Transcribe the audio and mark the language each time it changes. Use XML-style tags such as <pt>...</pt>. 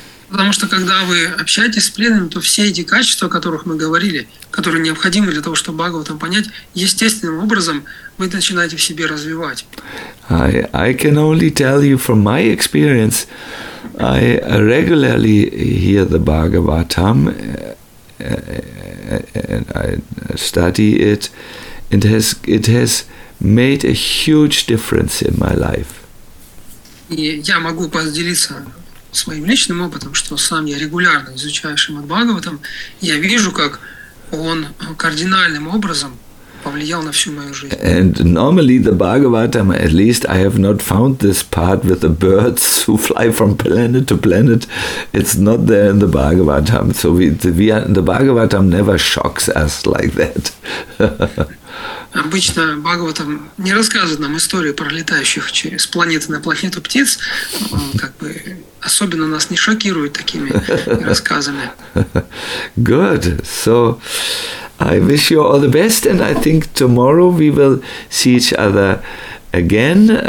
<ru>Потому что когда вы общаетесь с преданными, то все эти качества, о которых мы говорили, которые необходимы для того, чтобы Бхагаватам понять, естественным образом вы начинаете в себе развивать.</ru> <en>I can only tell you from my experience, I regularly hear the Bhagavatam, and I study it, and it has made a huge difference in my life.</en> <ru>И я могу поделиться своим личным опытом, что сам я регулярно изучаю Шримад Бхагаватам, я вижу, как он кардинальным образом повлиял на всю мою жизнь.</ru> <en>And normally the Bhagavatam, at least I have not found this part with the birds who fly from planet to planet. It's not there in the Bhagavatam. So the Bhagavatam never shocks us like that.</en> <ru>Обычно Бхагаватам не рассказывает нам историю про летающих через планеты на планету птиц. Как бы особенно нас не шокирует такими рассказами.</ru> <en>Good. So I wish you all the best, and I think tomorrow we will see each other again.</en>